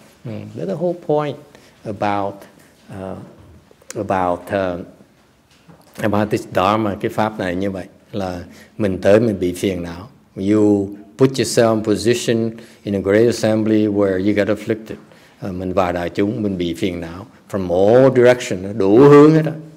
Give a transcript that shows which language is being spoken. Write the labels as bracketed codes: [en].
[en] That's the whole point about this dharma, [vi] cái pháp này như vậy là mình tới mình bị phiền não. [en] You put yourself in position in a great assembly where you get afflicted. [vi] Mình vào đại chúng mình bị phiền não [en] from all direction, [vi] đủ hướng hết á.